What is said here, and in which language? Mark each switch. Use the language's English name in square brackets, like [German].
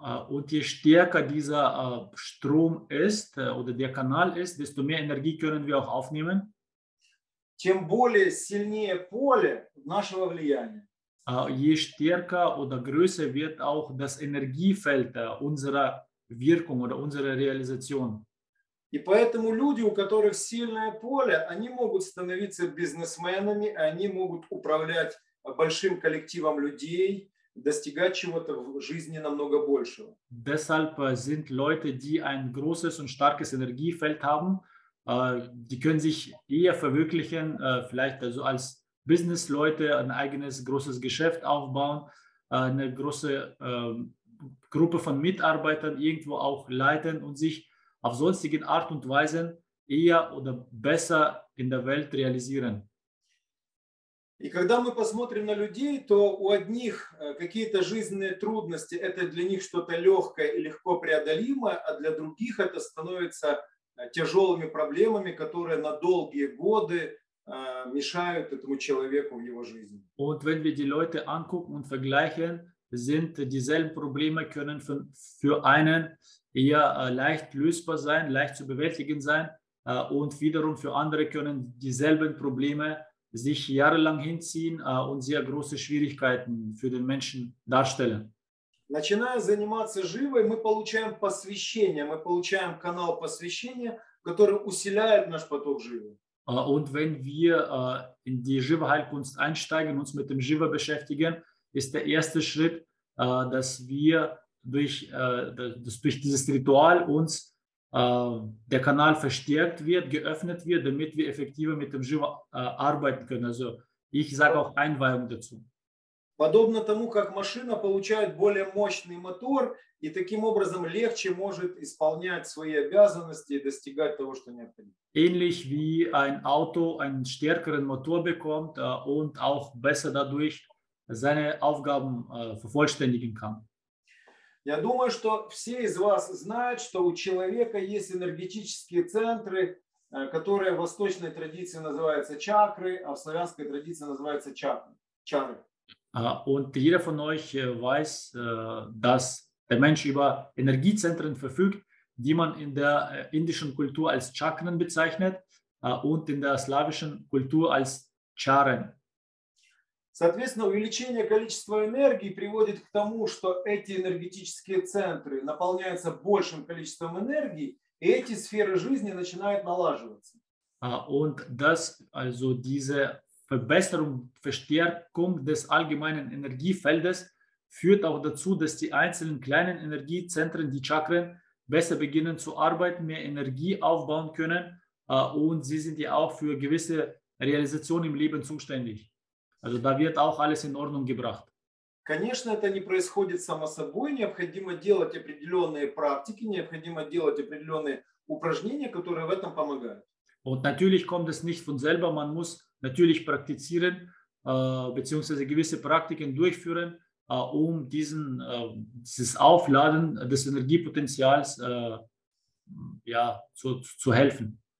[German] Und je stärker dieser Strom ist oder der Kanal ist, desto mehr Energie können wir auch aufnehmen. [Russian] Тем более сильнее поле нашего влияния. [German] Je stärker oder größer wird auch das Energiefeld unserer Wirkung oder unserer Realisation. [Russian] И поэтому люди, у которых сильное поле, они могут становиться бизнесменами, они могут управлять большим коллективом людей, достигать чего-то в жизни намного большего. [German] Deshalb sind Leute, die ein großes und starkes Energiefeld haben, die können sich eher verwirklichen, vielleicht also als Businessleute ein eigenes großes Geschäft aufbauen, eine große Gruppe von Mitarbeitern irgendwo auch leiten und sich auf sonstige Art und Weise eher oder besser in der Welt realisieren. [Russian] И когда мы посмотрим на людей, то у одних какие-то жизненные трудности – это для них что-то легкое и легко преодолимое, а для других это становится тяжелыми проблемами, которые на долгие годы мешают этому человеку в его жизни. [German] Und wenn wir die Leute angucken und vergleichen, sind dieselben Probleme können für einen eher leicht lösbar sein, leicht zu bewältigen sein, und wiederum für andere können dieselben Probleme sich jahrelang hinziehen und sehr große Schwierigkeiten für den Menschen darstellen. [Russian] Начиная заниматься живой, мы получаем посвящение, мы получаем канал посвящения, который усиливает наш поток живы. [German] Und wenn wir in die Shiva-Heilkunst einsteigen, uns mit dem Shiva beschäftigen, ist der erste Schritt, dass wir durch dieses Ritual uns der Kanal verstärkt wird, geöffnet wird, damit wir effektiver mit dem Shiva arbeiten können. Also ich sage auch Einweihung dazu. [Russian] Подобно тому, как машина получает более мощный мотор и таким образом легче может исполнять свои обязанности и достигать того, что необходимо. [German] Ähnlich wie ein Auto einen stärkeren Motor bekommt und auch besser dadurch seine Aufgaben vervollständigen kann. [Russian] Я думаю, что все из вас знают, что у человека есть энергетические центры, которые в восточной традиции называются чакры, а в славянской традиции называются чары. [German] Und jeder von euch weiß, dass der Mensch über Energiezentren verfügt, die man in der indischen Kultur als Chakren bezeichnet und in der slawischen Kultur als Charen. [Russian] Соответственно, увеличение количества энергии приводит к тому, что эти энергетические центры наполняются большим количеством энергии, и эти сферы жизни начинают налаживаться. [German] Und das, also diese Verbesserung, Verstärkung des allgemeinen Energiefeldes führt auch dazu, dass die einzelnen kleinen Energiezentren, die Chakren, besser beginnen zu arbeiten, mehr Energie aufbauen können und sie sind ja auch für gewisse Realisationen im Leben zuständig. Also da wird auch alles in Ordnung gebracht. [Russian] Конечно, это не происходит само собой. Необходимо делать определенные практики, необходимо делать определенные упражнения, которые в этом помогают. [German] Und natürlich kommt es nicht von selber. Man muss natürlich praktizieren beziehungsweise gewisse Praktiken durchführen, um dieses Aufladen des Energiepotenzials zu helfen.